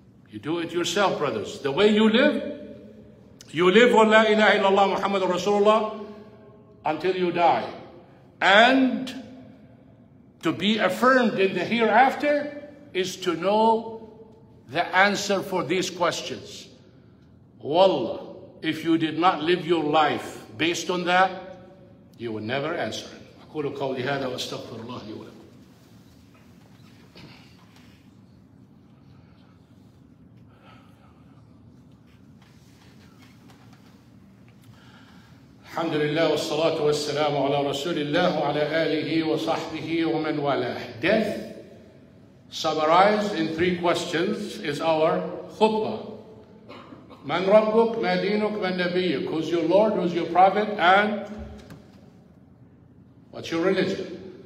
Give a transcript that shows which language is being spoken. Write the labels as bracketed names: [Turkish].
[English] You do it yourself, brothers. The way you live on la ilaha illallah Muhammad Rasulullah until you die. And To be affirmed in the hereafter is to know the answer for these questions. Wallah, if you did not live your life based on that, you would never answer it. [Arabic] أقول قولي هذا وأستغفر الله لي ولكم. الحمد لله والصلاة والسلام على رسول الله وعلى آله وصحبه ومن والاه. [English] Death summarized in three questions is our khutbah. [Arabic] من ربك ما دينك من نبيك. [English] Who's your Lord, who's your Prophet, and what's your religion?